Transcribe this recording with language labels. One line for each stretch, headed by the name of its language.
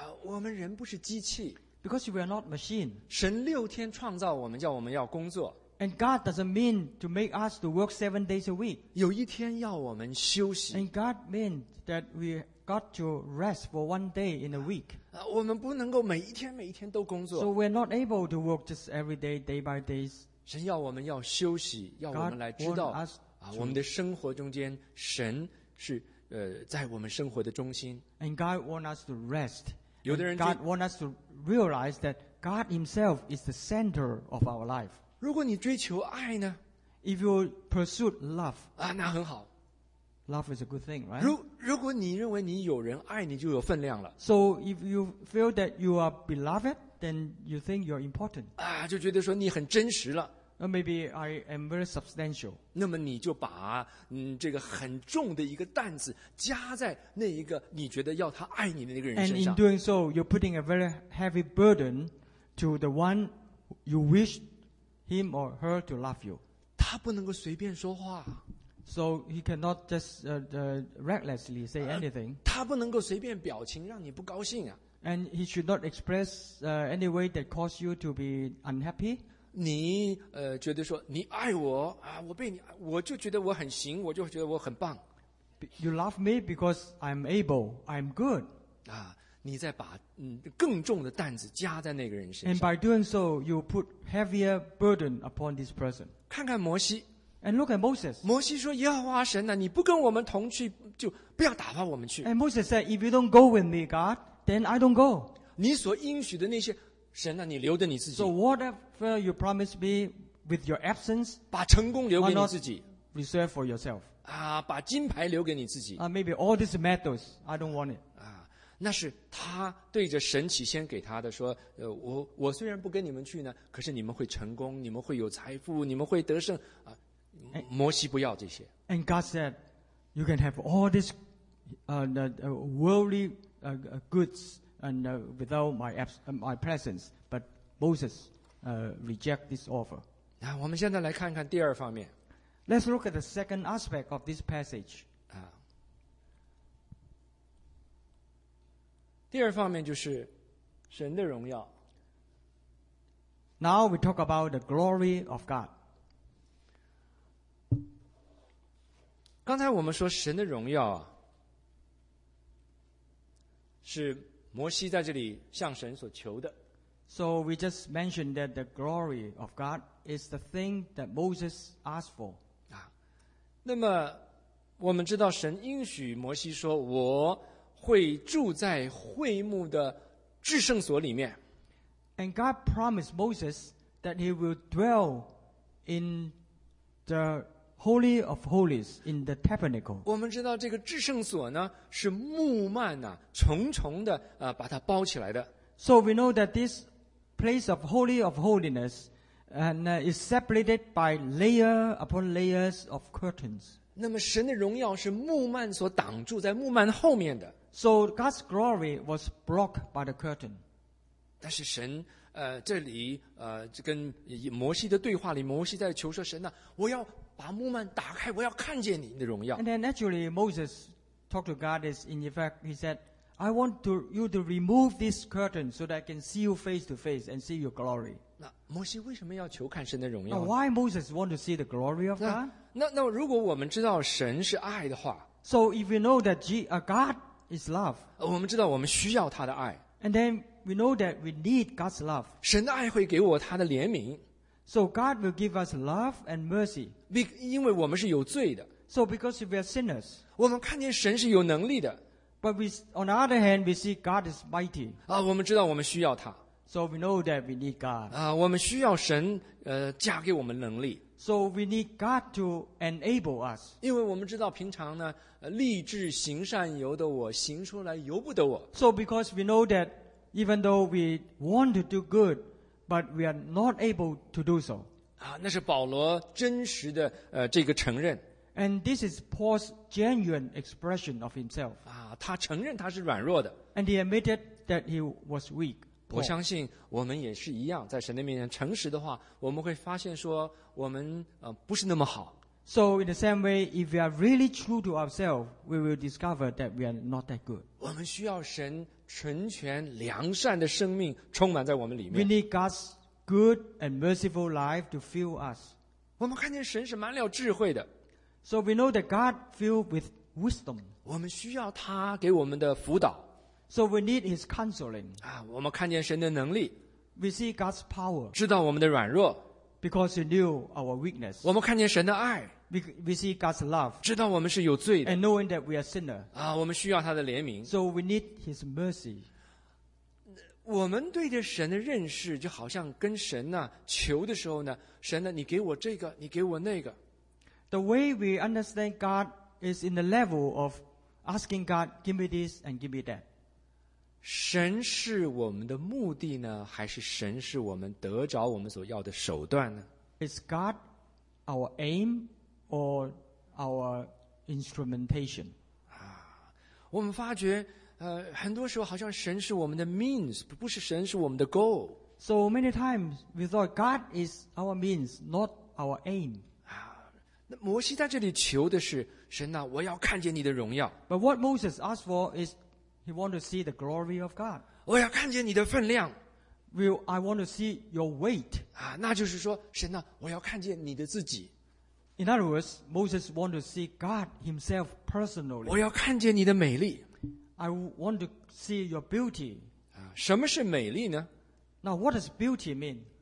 Chinese: 我们人不是机器。
English: Because we are not machine.
Chinese: 神六天创造我们，叫我们要工作。
English: And God doesn't mean to make us to work 7 days a week.
Chinese: 有一天要我们休息。
English: And God meant that we got to rest for one day in a week.
Chinese: 我们不能够每一天每一天都工作。
English: So we're not able to work just every day, day by day.
Chinese: 神要我们要休息，要我们来知道我们的生活中间神是在我们生活的中心。
English: And God wants us to rest.
Chinese: 有的人
English: God wants us to realize that God Himself is the center of our life.
Chinese: 如果你追求爱呢？
English: If you pursue love,
Chinese: 那很好。
English: Love is a good thing, right?
Chinese: 如果你认为你有人爱你，就有分量了。
English: So if you feel that you are beloved, then you think you're important.
Chinese: 就觉得说你很真实了。
English: Maybe I am very substantial.
Chinese: 那么你就把这个很重的一个担子加在那一个你觉得要他爱你的那个人身上。
English: And in doing so, you're putting a very heavy burden to the one you wish him or her to love you.
Chinese: 他不能够随便说话。
English: So he cannot just recklessly say anything.
Chinese: 他不能够随便表情让你不高兴啊。
English: And he should not express any way that cause you to be unhappy.
Chinese: 你觉得说你爱我啊，我被你，我就觉得我很行，我就觉得我很棒。
English: You love me because I'm able, I'm good.
Chinese: 啊，你在把更重的担子加在那个人身上。
English: And by doing so, you put heavier burden upon this person.
Chinese: 看看摩西。
English: And look at Moses.
Chinese: 摩西说：“耶和华神呐，你不跟我们同去，就不要打发我们去。”
English: And Moses said, "If you don't go with me, God, then I don't go."
Chinese: 你所应许的那些神呐，你留着你自己。
English: So whatever you promise me with your absence,
Chinese: 把成功留给你自己。
English: Reserve for yourself.
Chinese: 把金牌留给你自己。
English: Maybe all these medals, I don't want it.
Chinese: 那是他对着神起先给他的说，我虽然不跟你们去呢，可是你们会成功，你们会有财富，你们会得胜啊。摩西不要这些。
English: And God said, "You can have all this, worldly, goods, and without my presence." But Moses, reject this offer.
Chinese: 那我们现在来看看第二方面。
English: Let's look at the second aspect of this passage.
Chinese: 第二方面就是神的荣耀。
English: Now we talk about the glory of God.
Chinese: 刚才我们说神的荣耀啊，是摩西在这里向神所求的。
English: So we just mentioned that the glory of God is the thing that Moses asked for.
Chinese: 那么我们知道神应许摩西说，我会住在会幕的至圣所里面。
English: And God promised Moses that he will dwell in the Holy of Holies in the tabernacle.
Chinese: 我们知道这个至圣所呢是幕幔啊，重重的把它包起来的。
English: So we know that this place of Holy of Holiness And is separated by layer upon layers of curtains.
Chinese: 那么神的荣耀是幕幔所挡住在幕幔后面的。
English: So God's glory was blocked by the curtain.
Chinese: 但是神这里跟摩西的对话里，摩西在求说神呐、啊，我要把幕幔打开，我要看见你的荣耀。
English: And then actually Moses talked to God. Is in effect, he said, "I want to you to remove this curtain so that I can see you face to face and see your glory."
Chinese: 那摩西为什么要求看神的荣耀
English: ？Why Moses want to see the glory of God？
Chinese: 那如果我们知道神是爱的话
English: ，So if you know that God is love，
Chinese: 我们知道我们需要他的爱
English: ，And then we know that we need God's love。
Chinese: 神的爱会给我他的怜悯
English: ，So God will give us love and mercy。
Chinese: 因为我们是有罪的
English: ，So because we are sinners，
Chinese: 我们看见神是有能力的
English: ，But we on the other hand we see God is mighty。
Chinese: 我们知道我们需要他
English: ，So we know that we need God。
Chinese: 我们需要神加给我们能力。
English: So we need God to enable us.
Chinese: 因为我们知道平常呢，立志行善由得我，行出来由不得我。
English: So because we know that even though we want to do good, but we are not able to do so.
Chinese: 那是保罗真实的这个承认。
English: And this is Paul's genuine expression of himself.
Chinese: 他承认他是软弱的。
English: And he admitted that he was weak.
Chinese: 我相信我们也是一样，在神的面前诚实的话，我们会发现说我们不是那么好。
English: So in the same way, if we are really true to ourselves, we will discover that we are not that good.
Chinese: 我们需要神纯全良善的生命充满在我们里面。
English: We need God's good and merciful life to fill us.
Chinese: 我们看见神是满了智慧的。
English: So we know that God filled with wisdom.
Chinese: 我们需要他给我们的辅导。
English: So we need his counseling.
Chinese: 我们看见神的能力。
English: We see God's power.
Chinese: 知道我们的软弱。
English: Because he knew our weakness.
Chinese: 我们看见神的爱。
English: We see God's love.
Chinese: 知道我们是有罪的。
English: And knowing that we are sinner.
Chinese: 我们需要他的怜悯。
English: So we need his mercy.
Chinese: 我们对着神的认识，就好像跟神呢求的时候呢，神呢，你给我这个，你给我那个。
English: The way we understand God is in the level of asking God, give me this and give me that.
Chinese: 神是我们的目的呢，还是神是我们得着我们所要的手段呢
English: ？Is God our aim or our instrumentation？
Chinese: 我们发觉，很多时候好像神是我们的 means， 不是神是我们的 goal。
English: So many times we thought God is our means, not our aim。
Chinese: 那摩西在这里求的是神呐、啊，我要看见你的荣耀。
English: But what Moses asked for is He want to see the glory of God.
Chinese: 我要看见你的分量。
English: I want to see your weight.
Chinese: 那就是说，神啊，我要看见你的自己。
English: In other words, Moses want to see God himself personally.
Chinese: 我要看见你的美丽。
English: I want to see your beauty.
Chinese: 什么是美丽呢
English: ？Now, what does beauty mean?